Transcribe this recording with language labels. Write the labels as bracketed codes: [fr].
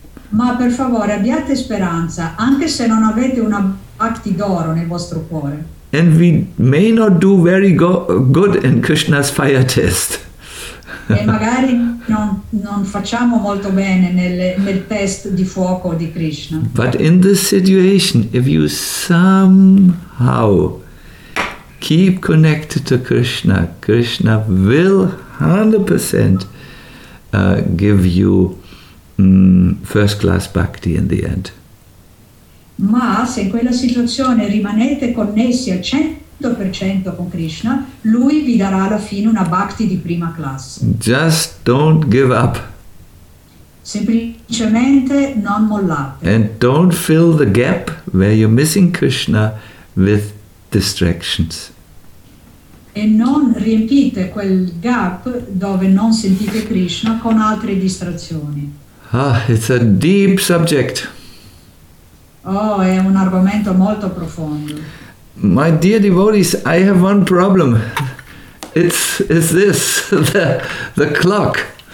[it] Ma per favore, abbiate speranza, anche se non avete una bhakti d'oro nel vostro cuore. [en] And we may not do very good in Krishna's fire test. [it] E magari non facciamo molto bene nel test di fuoco di Krishna. [en] But in this situation, if you somehow keep connected to Krishna, Krishna will 100% give you first class bhakti in the end. [it] Ma se in quella situazione rimanete connessi al 100% con Krishna, lui vi darà alla fine una bhakti di prima classe. [en] Just don't give up. [it] Semplicemente non mollate. [en] And don't fill the gap where you're missing Krishna with distractions. [it] E non riempite quel gap dove non sentite Krishna con altre distrazioni. [en] Ah, it's a deep subject. [it] Oh, è un argomento molto profondo. [en] My dear devotees, I have one problem. It's this, the clock.